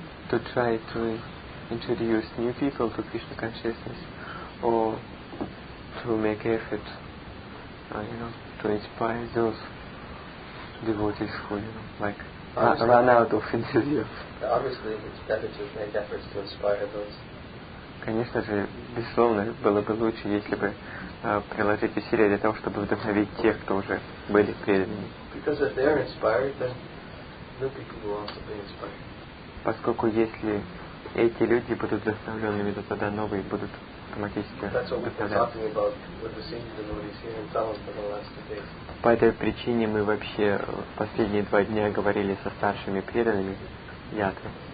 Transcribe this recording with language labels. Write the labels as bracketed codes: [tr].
[en] To try to introduce new people to Krishna consciousness, or to make effort, you know, to inspire those devotees who, you know, like. Run out of enthusiasm. Obviously, it's better to make efforts to inspire those. [ru] Конечно же, безусловно, было бы лучше, если бы приложить усилия для того, чтобы вдохновить тех, кто уже были преданными. [en] Because if they're inspired, then new people will also be inspired. [ru] Поскольку если эти люди будут вдохновленными, то тогда новые будут автоматически. [en] That's what we've been talking about with the senior devotees here in town for the last 2 days. [ru] По этой причине мы вообще в последние 2 дня говорили со старшими преданными Ятры.